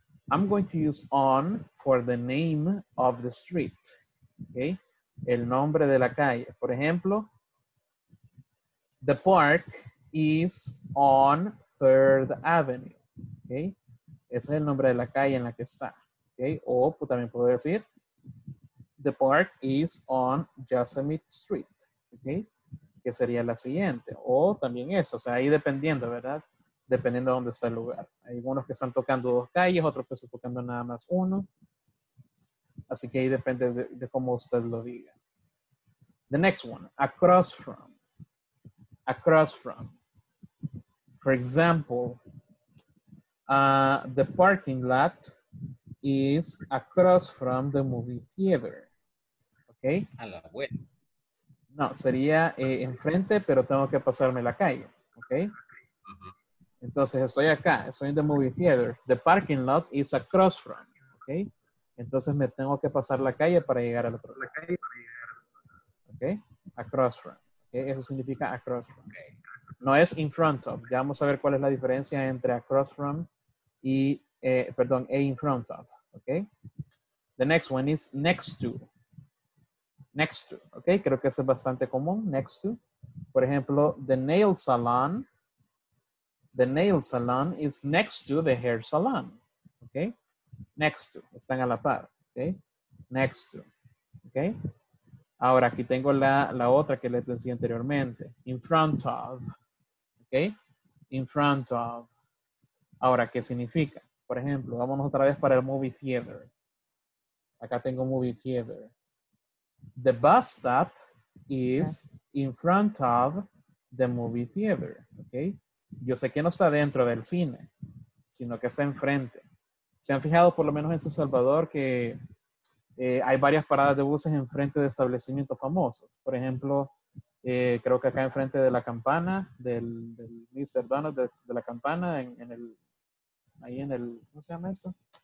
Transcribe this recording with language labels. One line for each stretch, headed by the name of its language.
English: I'm going to use on for the name of the street. Okay?
Spanish: El nombre de la calle. Por ejemplo,
English: the park is on 3rd Avenue,
Spanish: okay? Ese es el nombre de la calle en la que está, okay? O pues, también puedo decir,
English: the park is on Yosemite Street,
Spanish: okay? Que sería la siguiente, o también eso, o sea, ahí dependiendo, ¿verdad? Dependiendo de dónde está el lugar. Hay unos que están tocando dos calles, otros que están tocando nada más uno. Así que ahí depende de cómo usted lo diga.
English: The next one, across from. Across from. For example, the parking lot is across from the movie theater. Okay?
Spanish: A la vuelta. No, sería enfrente, pero tengo que pasarme la calle. Okay? Uh-huh. Entonces, estoy acá. Estoy en the movie theater.
English: The parking lot is across from. Okay?
Spanish: Entonces, me tengo que pasar la calle para llegar al otro lado. Okay? Across from. Eso significa across from. Okay. No es in front of. Ya vamos a ver cuál es la diferencia entre across from y, perdón, e in front of.
English: Okay. The next one is next to. Next to. Okay.
Spanish: Creo que eso es bastante común. Next to. Por ejemplo, the nail salon.
English: The nail salon is next to the hair salon.
Spanish: Okay. Next to. Están a la par. Okay. Next to. Okay. Ahora, aquí tengo la otra que les decía anteriormente.
English: In front of. ¿Ok? In front of.
Spanish: Ahora, ¿qué significa? Por ejemplo, vámonos otra vez para el movie theater. Acá tengo movie theater.
English: The bus stop is in front of the movie theater.
Spanish: ¿Ok? Yo sé que no está dentro del cine, sino que está enfrente. ¿Se han fijado por lo menos en San Salvador que hay varias paradas de buses enfrente de establecimientos famosos? Por ejemplo, Creo que acá enfrente de la campana, del Mr. Donald de la campana, en el, ahí en el, ¿cómo se llama esto?